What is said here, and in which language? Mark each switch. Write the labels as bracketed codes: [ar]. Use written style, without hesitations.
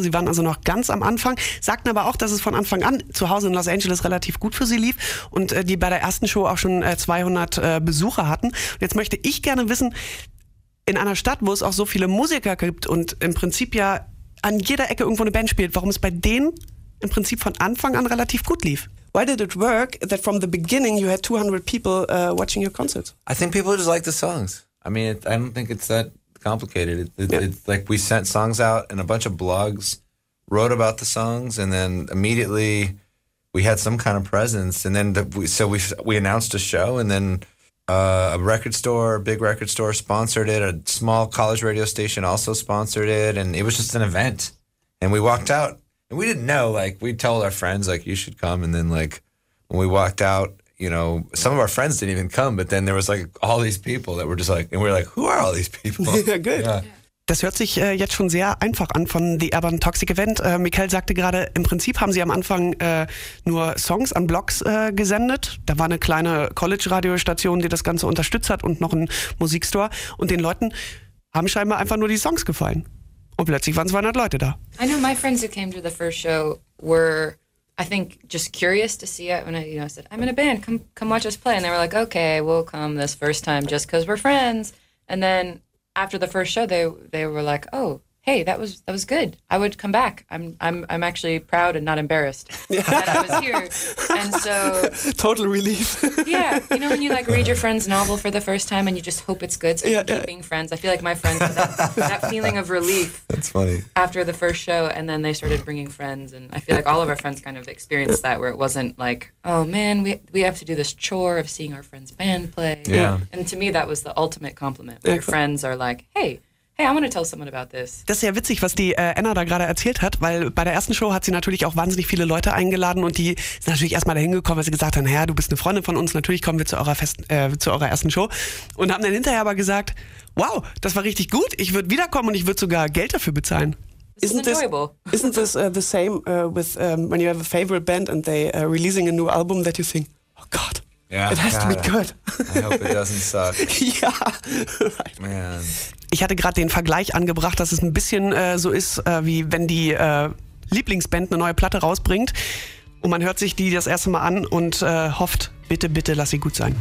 [de] Sie waren also noch ganz am Anfang, sagten aber auch, dass es von Anfang an zu Hause in Los Angeles relativ gut für sie lief und die bei der ersten Show auch schon 200 Besucher hatten. Und jetzt möchte ich gerne wissen, in einer Stadt, wo es auch so viele Musiker gibt und im Prinzip ja an jeder Ecke irgendwo eine Band spielt, warum es bei denen im Prinzip von Anfang an relativ gut lief. [en] Why did it work that from the beginning you had 200 people watching your concerts? I think people just like the songs. I mean, I don't think it's that complicated. It's like we sent songs out and a bunch of blogs wrote about the songs and then immediately we had some kind of presence. And then we announced a show and then a big record store sponsored it. A small college radio station also sponsored it. And it was just an event. And we walked out. And we didn't know, like, we told our friends, like, you should come. And then, like, when we walked out, you know, some of our friends didn't even come. But then there was, like, all these people that were just like, and we were like, who are all these people? Yeah, good. Yeah. [de] Das hört sich jetzt schon sehr einfach an von The AIRBORNE Toxic Event. Mikkel sagte gerade, im Prinzip haben sie am Anfang nur Songs an Blogs gesendet. Da war eine kleine College-Radiostation, die das Ganze unterstützt hat und noch ein Musikstore. Und den Leuten haben scheinbar einfach nur die Songs gefallen. Und plötzlich waren 200 Leute da. [en] I know my friends who came to the first show were, I think, just curious to see it. And I, you know, I said, I'm in a band, come watch us play. And they were like, okay, we'll come this first time just because we're friends. And then after the first show, they were like, oh, hey, that was good. I would come back. I'm actually proud and not embarrassed that I was here. And so total relief. Yeah. You know when you like read your friend's novel for the first time and you just hope it's good, so you keep being friends. I feel like my friends had that feeling of relief. That's funny. After the first show and then they started bringing friends and I feel like all of our friends kind of experienced that where it wasn't like, oh man, we have to do this chore of seeing our friend's band play. Yeah. And to me that was the ultimate compliment. Your friends are like, hey, I want to tell someone about this. [de] Das ist ja witzig, was die Anna da gerade erzählt hat, weil bei der ersten Show hat sie natürlich auch wahnsinnig viele Leute eingeladen und die sind natürlich erstmal dahin gekommen, weil sie gesagt haben, du bist eine Freundin von uns, natürlich kommen wir zu eurer ersten Show und haben dann hinterher aber gesagt, wow, das war richtig gut, ich würde wiederkommen und ich würde sogar Geld dafür bezahlen. [en] Isn't this the same with when you have a favorite band and they releasing a new album that you think, oh God, yeah, it has to be good. I hope it doesn't suck. Yeah, right. Man. [de] Ich hatte gerade den Vergleich angebracht, dass es ein bisschen so ist, wie wenn die Lieblingsband eine neue Platte rausbringt und man hört sich die das erste Mal an und hofft, bitte, bitte, lass sie gut sein.